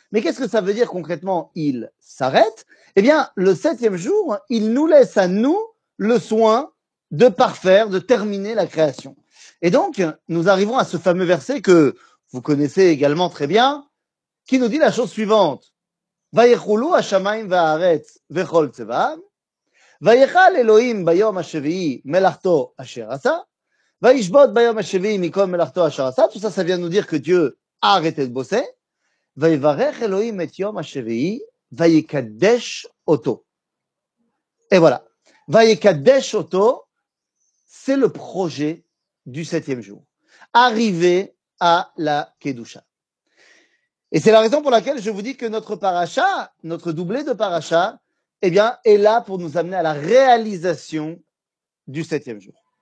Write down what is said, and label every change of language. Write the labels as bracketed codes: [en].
[fr] Mais qu'est-ce que ça veut dire concrètement, il s'arrête? Eh bien, le 7e jour, il nous laisse à nous le soin de parfaire, de terminer la création. Et donc, nous arrivons à ce fameux verset que vous connaissez également très bien, qui nous dit la chose suivante. [he] Vayechulu ha-shamayim va-aretz ve-chol tzevav. ויחל אלוהים ביום השביעי מלאכתו אשר עשה, וישבות ביום השביעי מכל מלאכתו אשר עשה, [fr] tout ça, ça vient nous dire que Dieu a arrêté de bosser, [he] ויברך אלוהים את יום השביעי, ויקדש אותו. [fr] Et voilà. [he] ויקדש אותו, [fr] c'est le projet du 7e jour. Arriver à la Kedusha. Et c'est la raison pour laquelle je vous dis que notre paracha, notre doublé de paracha, eh bien, est là pour nous amener à la réalisation du 7e jour.